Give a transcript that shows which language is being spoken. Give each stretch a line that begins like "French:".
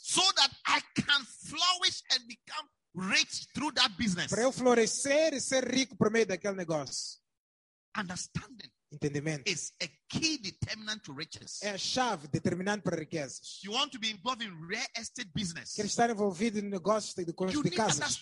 English: So that I can flourish and become rich through that business.
Portuguese: Para eu florescer e ser rico por meio daquele negócio.
English: Understanding.
Portuguese: Entendimento.
English: Is a key determinant to riches.
Portuguese: É a chave determinante para riquezas.
English: You want to be involved in real estate business.
Portuguese: Quer estar envolvido no negócio de construção de casas.